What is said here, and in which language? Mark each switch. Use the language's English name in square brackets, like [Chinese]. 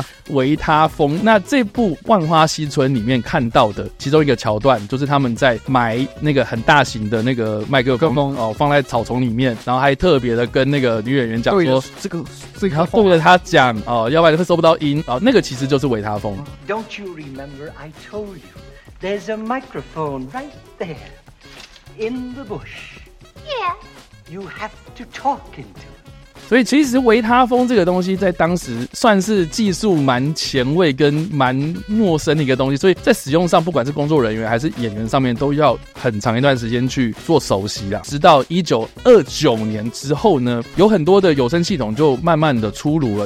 [Chinese] 维他风。那这部《万花西村》里面看到的其中一个桥段，就是他们在埋那个很大型的那个麦克风哦，放在草丛里面，然后还特别的跟那个女演员讲说，这个，然后对着他讲哦，要不然会收不到音哦。那个其实就是维他风。 [English] Don't you remember I told you there's a microphone right there in the bush? Yeah. You have to talk into. [Chinese] 所以其实维他风这个东西在当时算是技术蛮前卫跟蛮陌生的一个东西，所以在使用上不管是工作人员还是演员上面都要很长一段时间去做熟悉啦。直到1929年之后呢，有很多的有声系统就慢慢的出炉了。